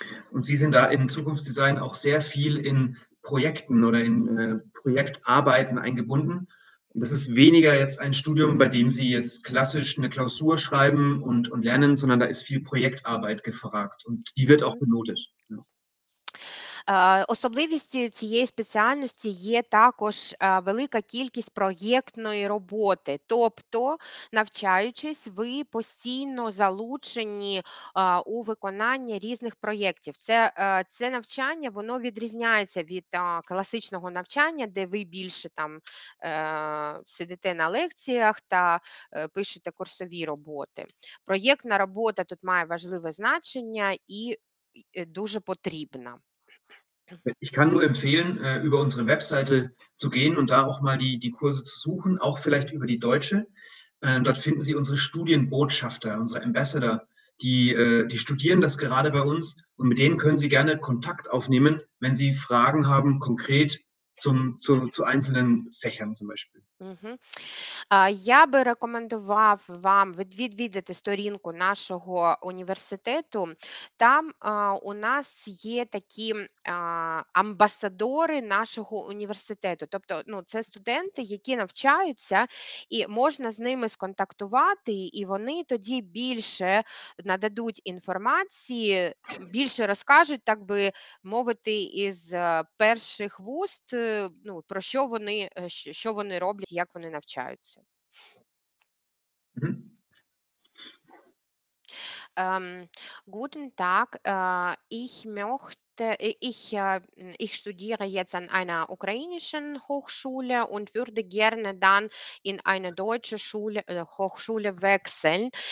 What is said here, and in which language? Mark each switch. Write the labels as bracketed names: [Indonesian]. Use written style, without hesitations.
[German] Und Sie sind da in Zukunftsdesign auch sehr viel in Projekten oder in Projektarbeiten eingebunden. Das ist weniger jetzt ein Studium, bei dem Sie jetzt klassisch eine Klausur schreiben und lernen, sondern da ist viel Projektarbeit gefragt und die wird auch benotet. [Ukrainian] Особливістю цієї спеціальності є також велика кількість проєктної роботи. Тобто, навчаючись, ви постійно залучені у виконання різних проєктів. Це навчання, воно відрізняється від класичного навчання, де ви більше там сидите на лекціях та пишете курсові роботи. Проєктна робота тут має важливе значення і дуже потрібна. [German] Ich kann nur empfehlen, über unsere Webseite zu gehen und da auch mal die Kurse zu suchen, auch vielleicht über die deutsche. Dort finden Sie unsere Studienbotschafter, unsere Ambassador, die studieren das gerade bei uns und mit denen können Sie gerne Kontakt aufnehmen, wenn Sie Fragen haben, konkret zu einzelnen Fächern zum Beispiel. [Ukrainian] Я би рекомендував вам відвідати сторінку нашого університету. Там у нас є такі амбасадори нашого університету. Тобто, ну, це студенти, які навчаються, і можна з ними сконтактувати, і вони тоді більше нададуть інформації, більше розкажуть, так би мовити, із перших вуст, ну, про що вони, що вони роблять, як вони навчаються. [German] Guten Tag, ich studiere jetzt an einer ukrainischen Hochschule und würde gerne dann in eine deutsche Schule, Hochschule wechseln.